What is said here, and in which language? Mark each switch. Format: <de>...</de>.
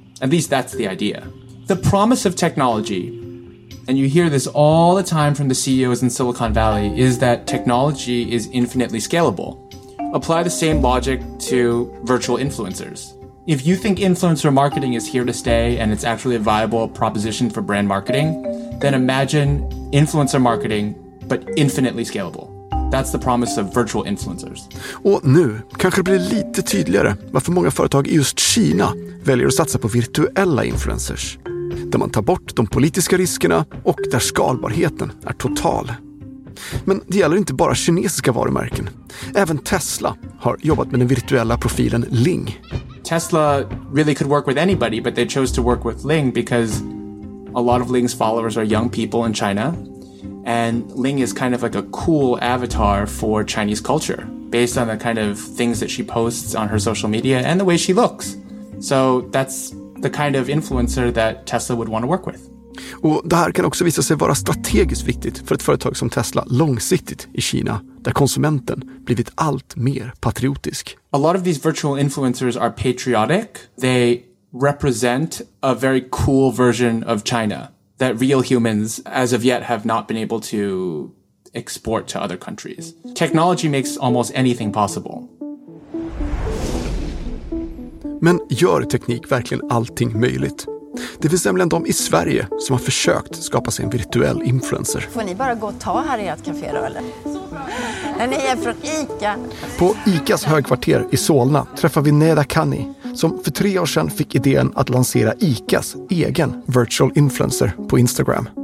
<en>At least that's the idea. The promise of technology, and you hear this all the time from the CEOs in Silicon Valley, is that technology is infinitely scalable. Apply the same logic to virtual influencers. If you think influencer marketing is here to stay and it's actually a viable proposition for brand marketing, then imagine influencer marketing, but infinitely scalable. That's the promise of virtual influencers.</en> <sv>Och nu kanske det blir lite tydligare varför många företag i just Kina väljer att satsa på virtuella influencers. Där man tar bort de politiska riskerna och där skalbarheten är total. Men det gäller inte bara kinesiska varumärken. Även Tesla har jobbat med den virtuella profilen Ling.</sv> <en>Tesla really could work with anybody, but they chose to work with Ling because a lot of Ling's followers are young people in China. And Ling is kind of like a cool avatar for Chinese culture, based on the kind of things that she posts on her social media and the way she looks. So that's the kind of influencer that Tesla would want to work with.</en> <sv>Och det här kan också visa sig vara strategiskt viktigt för ett företag som Tesla långsiktigt i Kina, där konsumenten blivit allt mer patriotisk.</sv> <en>A lot of these virtual influencers are patriotic. They represent a very cool version of China that real humans as of yet have not been able to export to other countries. Technology makes almost anything possible.</en> <sv>Men gör teknik verkligen allting möjligt? Det finns nämligen de i Sverige som har försökt skapa sig en virtuell influencer. Får ni bara gå och ta här i ert café då, eller? Så bra. Ni är från ICA. På ICAs högkvarter i Solna träffar vi Neda Kani, som för 3 år sedan fick idén att lansera ICAs egen virtual influencer på Instagram.</sv>